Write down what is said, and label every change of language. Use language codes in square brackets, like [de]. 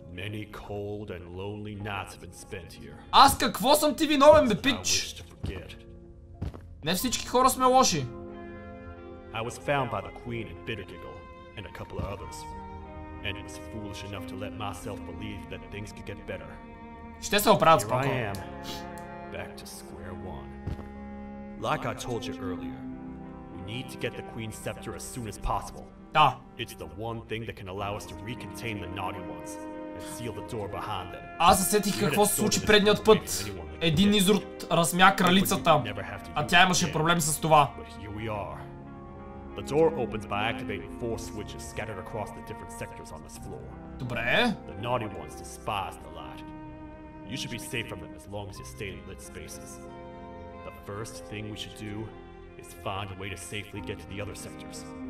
[en] Many cold and lonely nights have been spent here. [bg] Аз какво съм ти виновен, бе, пич? Не всички хора сме лоши. [en] I was found by the queen in Bittergiggle and a couple of others. And it was foolish enough to let myself believe that things could get better. [bg] Ще се оправят спокойно. [en] Here I am, back to square one. Like I told you earlier, we need to get the queen's scepter as soon as possible. [bg] Да. [en] It's the one thing that can allow us to recontain the naughty ones and seal the door behind them. [bg] Аз се сетих какво се случи предният път. Един Изурт размя кралицата, а тя имаше проблем с това. [en] But here we are. The door opens by activating four switches scattered across the different sectors on this floor. [bg] Добре. [en] The naughty ones despise the light. You should be safe from them as long as you stay in lit spaces. The first thing we should do is find a way to safely get to the other sectors.